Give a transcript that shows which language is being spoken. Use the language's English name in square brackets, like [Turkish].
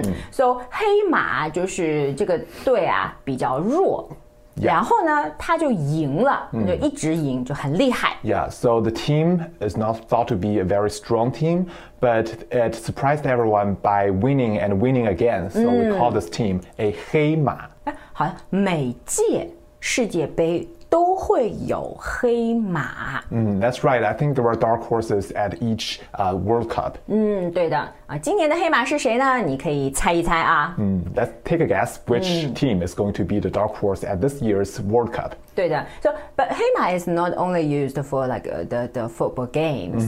[Chinese] So 黑马就是这个队啊比较弱。 [English] Yeah. [Chinese] 然后呢他就赢了就一直赢就很厉害。 [English] Yeah, so the team is not thought to be a very strong team, but it surprised everyone by winning and winning again. So we call this team a 黑马。 [Chinese] 好，每届世界杯都会有黑马。 [English] That's right. I think there are dark horses at each World Cup. [Chinese] 对的。今年的黑马是谁呢？你可以猜一猜啊。 [English] Let's take a guess which team is going to be the dark horse at this year's World Cup. [Chinese] 对的。 [English] So, but 黑马 is not only used for like the football games.